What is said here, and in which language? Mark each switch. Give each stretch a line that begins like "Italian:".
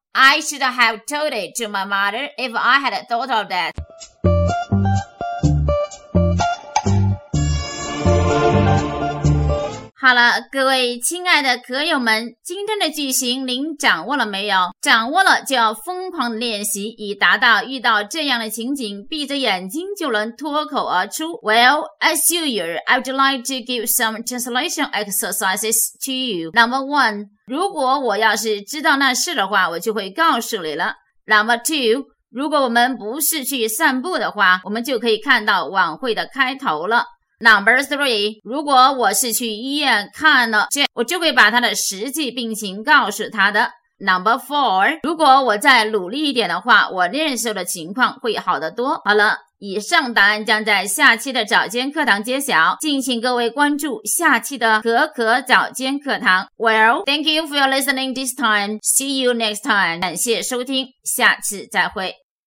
English: I should have told it to my mother if I had thought of that.
Chinese: 好了，各位亲爱的课友们，今天的句型您掌握了没有？掌握了就要疯狂练习，以达到遇到这样的情景，闭着眼睛就能脱口而出。
English: Well, as usual, I would like to give some translation exercises to you. Number one.
Chinese: 如果我要是知道那事的话，我就会告诉你了。
English: Number two，
Chinese: 如果我们不是去散步的话，我们就可以看到晚会的开头了。
English: Number three，
Chinese: 如果我是去医院看了这，我就会把他的实际病情告诉他的。
English: Number four，
Chinese: 如果我再努力一点的话，我练手的情况会好得多。好了，以上答案将在下期的早间课堂揭晓，敬请各位关注下期的可可早间课堂。
English: Well, thank you for your listening this time. See you next time.
Chinese: 感谢收听，下次再会。